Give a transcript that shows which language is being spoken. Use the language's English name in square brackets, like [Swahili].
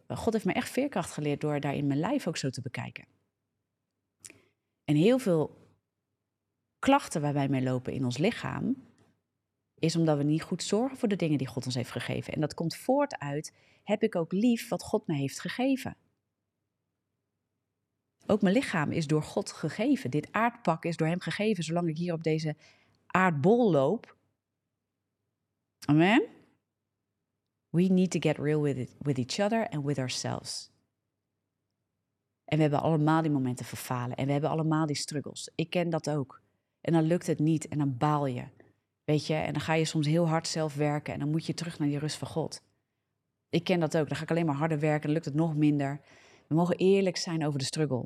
[Dutch] God heeft me echt veerkracht geleerd door daar in mijn lijf ook zo te bekijken. En heel veel klachten waar wij mee lopen in ons lichaam, is omdat we niet goed zorgen voor de dingen die God ons heeft gegeven. En dat komt voort uit, heb ik ook lief wat God me heeft gegeven. Ook mijn lichaam is door God gegeven. Dit aardpak is door hem gegeven, zolang ik hier op deze aardbol loop. Amen? [English] We need to get real with each other and with ourselves. [Dutch] En we hebben allemaal die momenten van falen. En we hebben allemaal die struggles. Ik ken dat ook. En dan lukt het niet. En dan baal je. Weet je? En dan ga je soms heel hard zelf werken. En dan moet je terug naar die rust van God. Ik ken dat ook. Dan ga ik alleen maar harder werken. Dan lukt het nog minder. We mogen eerlijk zijn over de struggle.